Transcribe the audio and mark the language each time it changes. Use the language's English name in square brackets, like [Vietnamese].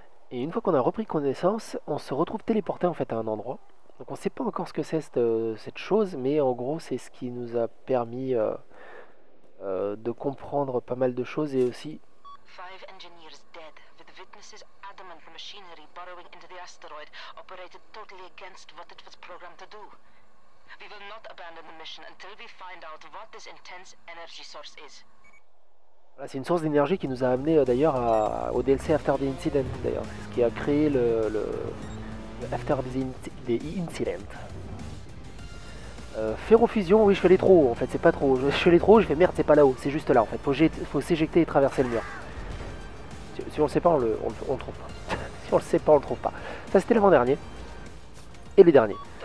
[French] Et une fois qu'on a repris connaissance, on se retrouve téléporté en fait à un endroit. Donc on sait pas encore ce que c'est cette chose, mais en gros c'est ce qui nous a permis de comprendre pas mal de choses et aussi. [English] Five engineers dead, with witnesses adamant the machinery burrowing into the asteroid operated totally against what it was programmed to do. We will not abandon the mission until we find out what this intense energy source is. [French] Voilà, c'est une source d'énergie qui nous a amené d'ailleurs au DLC After the Incident, d'ailleurs. C'est ce qui a créé le After the Incident. Ferrofusion, oui, je suis allé trop haut en fait, c'est pas trop haut. Je suis allé trop haut, je fais merde, c'est pas là-haut, c'est juste là en fait. Faut s'éjecter et traverser le mur. Si on le sait pas, on le trouve pas. Si on le sait pas, on le trouve pas. Ça, c'était l'avant-dernier. Et le dernier.